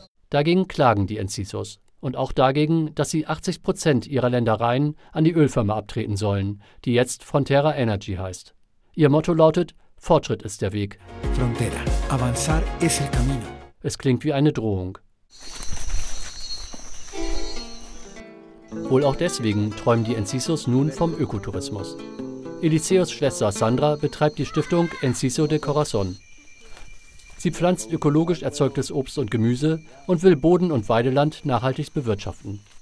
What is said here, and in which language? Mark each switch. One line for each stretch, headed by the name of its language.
German: Dagegen klagen die Enzisos. Und auch dagegen, dass sie 80% ihrer Ländereien an die Ölfirma abtreten sollen, die jetzt Frontera Energy heißt. Ihr Motto lautet, Fortschritt ist der Weg.
Spanish: Frontera, avanzar es el camino.
German: Es klingt wie eine Drohung. Wohl auch deswegen träumen die Encisos nun vom Ökotourismus. Eliseos Schwester Sandra betreibt die Stiftung Enciso de Corazón. Sie pflanzt ökologisch erzeugtes Obst und Gemüse und will Boden und Weideland nachhaltig bewirtschaften.